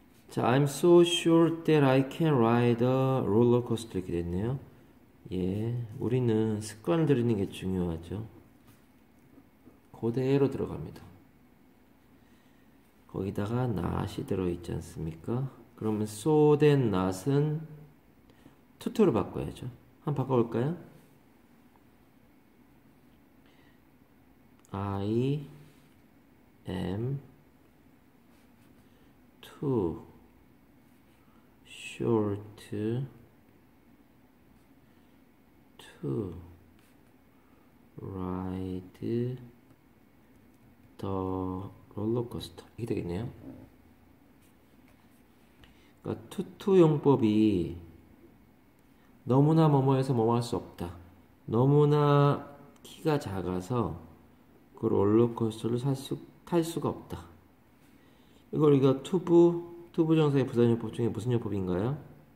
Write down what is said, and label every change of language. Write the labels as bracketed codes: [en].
[en] 자, I'm so sure that I can ride a roller coaster. [ko] 이렇게 됐네요. 예, 우리는 습관을 들이는 게 중요하죠. 그대로 들어갑니다. 거기다가 not이 들어있지 않습니까? 그러면 so then not은 투투로 바꿔야죠. 한번 바꿔볼까요? [en] I am too short to ride the roller coaster. [ko] 이게 되겠네요. 그러니까 투투 용법이 너무나 뭐뭐해서 뭐뭐 할수 없다. 너무나 키가 작아서 그 롤러코스터를 탈 수가 없다. 이걸 우리가 투부 정사의 부사용법 중에 무슨 용법인가요?